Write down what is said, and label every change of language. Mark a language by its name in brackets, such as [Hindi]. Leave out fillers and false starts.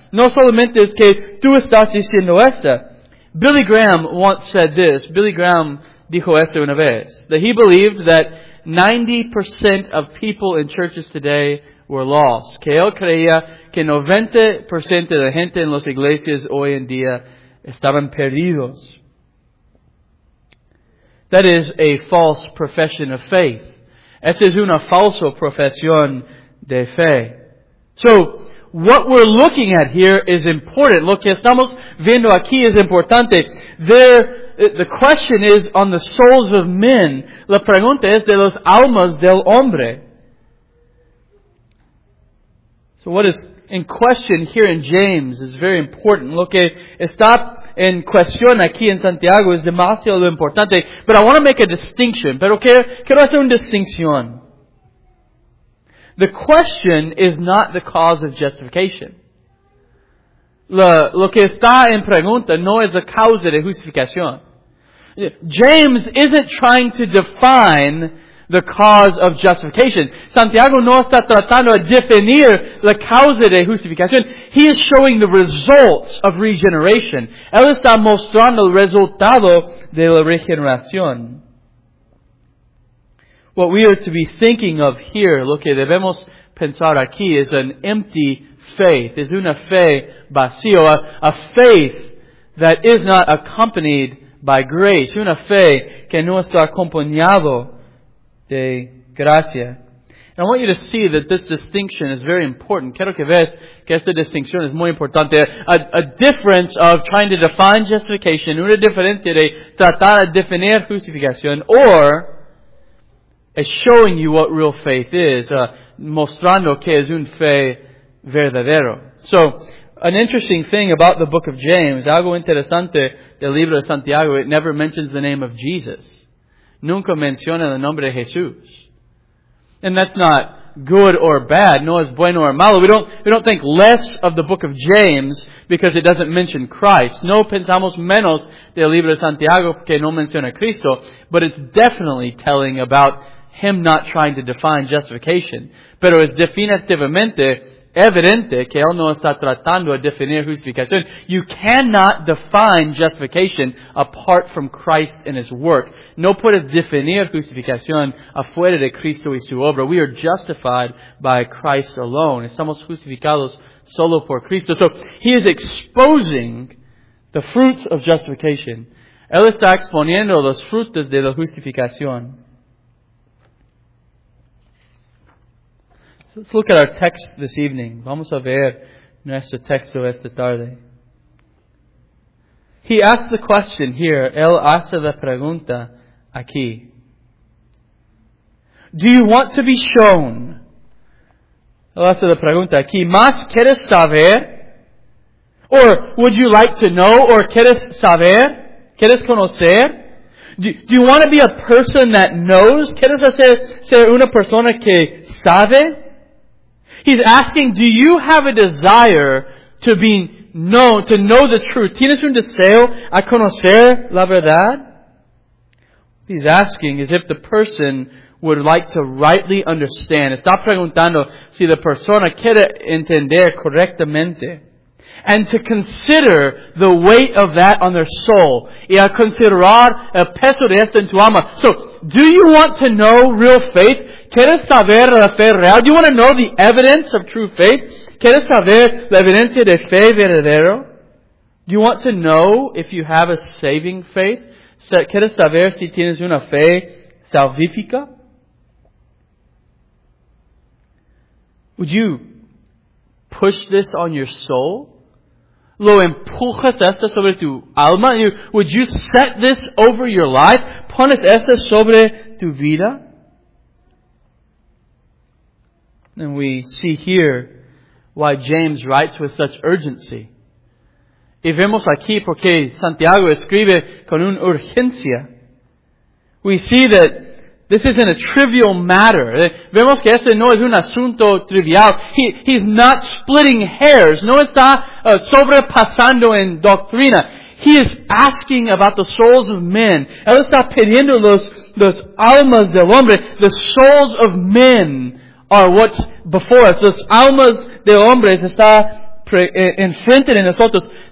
[Spanish] No solamente es que tú estás diciendo esta. [English] Billy Graham once said this. [Spanish] Billy Graham dijo esto una vez. [English] That he believed that 90% of people in churches today were lost. [Spanish] Que él creía que 90% de la gente en las iglesias hoy en día estaban perdidos. [English] That is a false profession of faith. [Spanish] Esa es una falsa profesión de fe. [English] So, what we're looking at here is important. [Spanish] Lo que estamos viendo aquí es importante. [English] The question is on the souls of men. [Spanish] La pregunta es de los almas del hombre. [English] So what is in question here in James is very important. [Spanish] Lo que está en cuestión aquí en Santiago es demasiado importante. [English] But I want to make a distinction. [Spanish] Pero quiero hacer una distinción. [English] The question is not the cause of justification. [Spanish] Lo que está en pregunta no es la causa de justificación. [English] James isn't trying to define the cause of justification. [Spanish] Santiago no está tratando de definir la causa de justificación. [English] He is showing the results of regeneration. [Spanish] Él está mostrando el resultado de la regeneración. [English] What we are to be thinking of here, [Spanish] lo que debemos pensar aquí, [English] is an empty faith. [Spanish] Es una fe vacío. [English] A faith that is not accompanied by grace. [Spanish] Una fe que no está acompañado de gracia. [English] And I want you to see that this distinction is very important. [Spanish] Quiero que veas que esta distinción es muy importante. [English] A difference of trying to define justification, [Spanish] una diferencia de tratar de definir justificación, [English] or a showing you what real faith is, [Spanish] mostrando que es un fe verdadero. [English] So, an interesting thing about the book of James, [Spanish] algo interesante del libro de Santiago, [English] it never mentions the name of Jesus. [Spanish] Nunca menciona el nombre de Jesús. [English] And that's not good or bad, [Spanish] no es bueno or malo. [English] We don't think less of the book of James because it doesn't mention Christ. [Spanish] No pensamos menos del libro de Santiago porque no menciona Cristo. [English] But it's definitely telling about him not trying to define justification. [Spanish] Pero es definitivamente evidente que él no está tratando de definir justificación. [English] You cannot define justification apart from Christ and His work. [Spanish] No puedes definir justificación afuera de Cristo y su obra. [English] We are justified by Christ alone. [Spanish] Estamos justificados solo por Cristo. [English] So, He is exposing the fruits of justification. [Spanish] Él está exponiendo los frutos de la justificación. [English] So let's look at our text this evening. [Spanish] Vamos a ver nuestro texto esta tarde. [English] He asks the question here. [Spanish] Él hace la pregunta aquí. [English] Do you want to be shown? [Spanish] Él hace la pregunta aquí. ¿Más quieres saber? [English] Or would you like to know? [Spanish] Or quieres saber? ¿Quieres conocer? [English] Do you want to be a person that knows? [Spanish] ¿Quieres hacer, ser una persona que sabe? [English] He's asking, do you have a desire to be known, to know the truth? [Spanish] ¿Tienes un deseo a conocer la verdad? [English] He's asking as if the person would like to rightly understand. [Spanish] Está preguntando si la persona quiere entender correctamente. [English] And to consider the weight of that on their soul. [Spanish] Y a considerar el peso de esto en tu alma. [English] So, do you want to know real faith? [Spanish] ¿Quieres saber la fe real? [English] Do you want to know the evidence of true faith? [Spanish] ¿Quieres saber la evidencia de fe verdadero? [English] Do you want to know if you have a saving faith? [Spanish] ¿Quieres saber si tienes una fe salvífica? [English] Would you push this on your soul? [Spanish] ¿Lo empujas esto sobre tu alma? [English] Would you set this over your life? [Spanish] ¿Pones esto sobre tu vida? [English] And we see here why James writes with such urgency. [Spanish] Y vemos aquí porque Santiago escribe con una urgencia. [English] We see that this isn't a trivial matter. [Spanish] Vemos que este no es un asunto trivial. [English] He's not splitting hairs. [Spanish] No está sobrepasando en doctrina. [English] He is asking about the souls of men. [Spanish] Él está pidiendo los almas del hombre. [English] The souls of men are what's before us. [Spanish] Los almas de hombres está enfrente de nosotros.